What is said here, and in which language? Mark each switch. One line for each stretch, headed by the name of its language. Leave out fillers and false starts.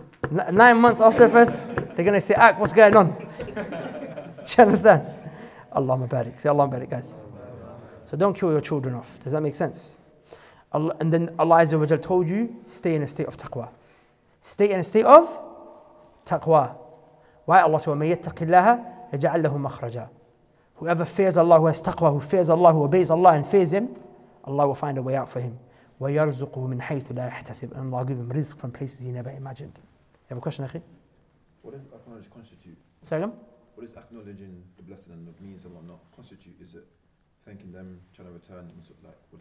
English: 9 months after first, they're going to say, Ak, what's going on? Do you understand? Allahumma barik. Say Allahumma barik, guys. So don't kill your children off. Does that make sense? Allah, and then Allah Azza wa Jal told you, stay in a state of taqwa. Stay in a state of taqwa. Why? Allah said,
Arabic: وَمَن يَتَّقِ اللَّهَ يَجَعَلْ لَهُ مَخْرَجًا.
English: Whoever fears Allah, who has taqwa, who fears Allah, who obeys Allah and fears Him, Allah will find a way out for him.
Arabic: وَيَرْزُقُهُ مِنْ حَيْثُ لَا يَحْتَسِبُ.
English: And Allah will give him rizq from places he never imagined. You have a question, Akhi? What does acknowledge constitute? Say again? What is acknowledging the blessing and the means of Allah not constitute? Is it thanking them, trying to return, like,